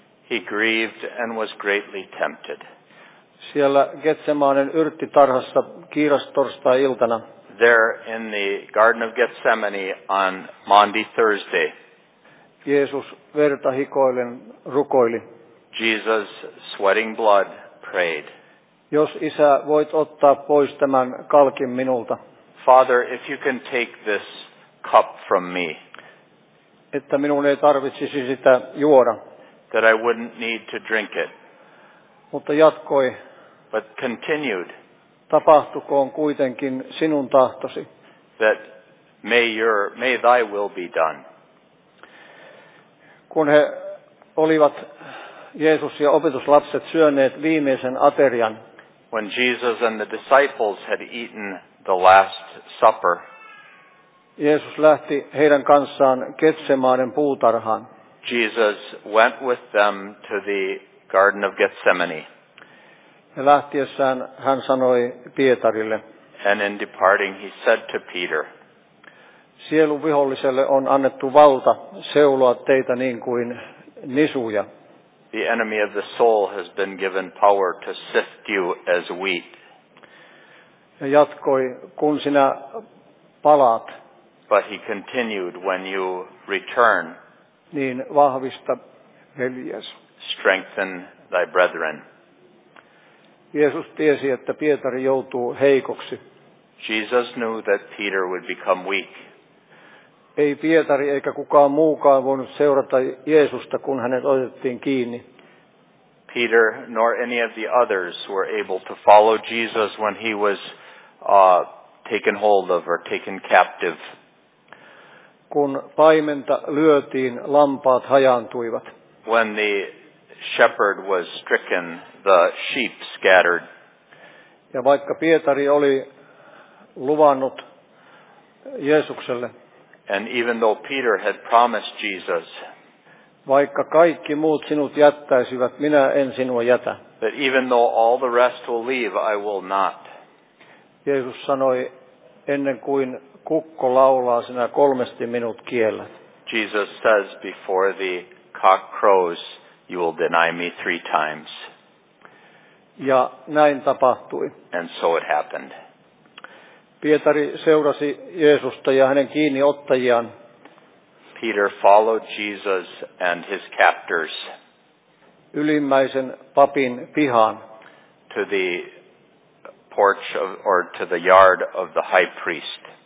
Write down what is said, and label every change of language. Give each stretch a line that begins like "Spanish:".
English: He grieved and was greatly tempted.
Finnish: Siellä Getsemanen yrttitarhassa kiirastorstai-iltana.
English: there in the Garden of Gethsemane on Maundy Thursday.
Finnish: Jeesus verta hikoillen rukoili.
English: Jesus, sweating blood, prayed.
Finnish: Jos isä voit ottaa pois tämän kalkin minulta.
English: Father, if you can take this cup from me.
Finnish: Että minun ei tarvitsisi sitä juoda.
English: That I wouldn't need to drink it.
Finnish: Mutta jatkoi.
English: But continued.
Finnish: Tapahtukoon kuitenkin sinun tahtosi.
English: That may thy will be done.
Finnish: Kun he olivat Jeesus ja opetuslapset syöneet viimeisen aterian.
English: When Jesus and the disciples had eaten the last supper.
Finnish: Jeesus lähti heidän kanssaan Getsemaanen puutarhaan.
English: Jesus went with them to the Garden of Gethsemane.
Finnish: Ja lähtiessään hän sanoi Pietarille.
English: And in departing he said to Peter.
Finnish: Sielun viholliselle on annettu valta seuloa teitä niin kuin nisuja.
English: The enemy of the soul has been given power to sift you as wheat.
Finnish: Ja jatkoi, kun sinä palaat.
English: But he continued, when you return,
Finnish: niin vahvista veljes.
English: Strengthen thy brethren.
Finnish: Jeesus tiesi, että Pietari joutuu heikoksi.
English: Jesus knew that Peter would become weak.
Finnish: Ei Pietari eikä kukaan muukaan voinut seurata Jeesusta, kun hänet otettiin kiinni.
English: Peter nor any of the others were able to follow Jesus when he was taken hold of or taken captive.
Finnish: Kun paimenta lyötiin, lampaat hajaantuivat.
English: When the shepherd was stricken, the sheep scattered.
Finnish: Ja vaikka Pietari oli luvannut Jeesukselle.
English: And even though Peter had promised Jesus.
Finnish: Vaikka kaikki muut sinut jättäisivät, minä en sinua jätä.
English: But even though all the rest will leave, I will not.
Finnish: Jeesus sanoi, ennen kuin kukko laulaa, sinä kolmesti minut kiellät.
English: Jesus says, before the cock crows, you will deny me 3 times.
Finnish: Ja näin tapahtui.
English: And so it happened.
Finnish: Pietari seurasi Jeesusta ja hänen kiinniottajiaan.
English: Peter followed Jesus and his captors.
Finnish: Ylimmäisen papin pihaan.
English: To the porch of, or to the yard of the high priest.